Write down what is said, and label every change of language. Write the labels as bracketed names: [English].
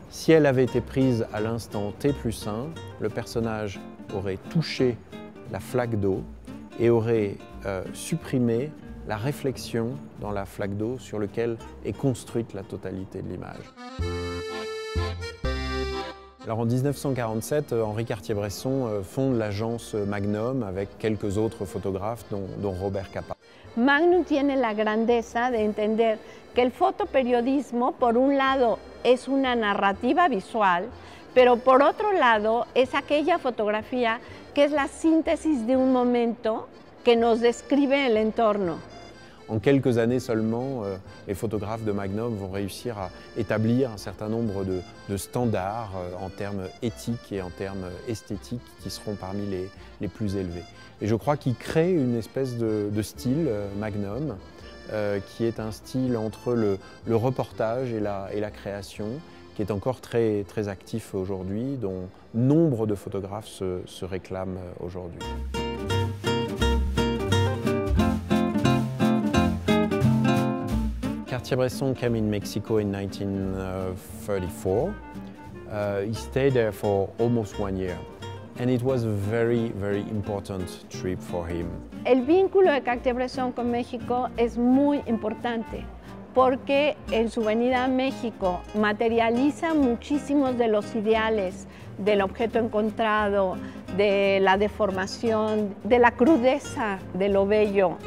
[French] Si elle avait été prise à l'instant T+1, le personnage aurait touché la flaque d'eau et aurait supprimé la réflexion dans la flaque d'eau sur laquelle est construite la totalité de l'image. Alors en 1947, Henri Cartier-Bresson fonde l'agence Magnum avec quelques autres photographes, dont Robert Capa. [Spanish] Magnum tiene la grandeza de entender que el fotoperiodismo, por un lado, es una narrativa visual, pero por otro lado, es aquella fotografía que es la síntesis de un momento que nos describe el entorno. [French] En quelques années seulement, les photographes de Magnum vont réussir à établir un certain nombre de standards en termes éthiques et en termes esthétiques qui seront parmi les plus élevés. Et je crois qu'ils créent une espèce de style Magnum qui est un style entre le reportage et la création qui est encore très, très actif aujourd'hui, dont nombre de photographes se réclament aujourd'hui. [English] Cartier-Bresson came in Mexico in 1934. He stayed there for almost 1 year, and it was a very, very important trip for him. [Spanish] El vínculo de Cartier-Bresson con México es muy importante porque en su venida a México materializa muchísimos de los ideales del objeto encontrado, de la deformación, de la crudeza de lo bello.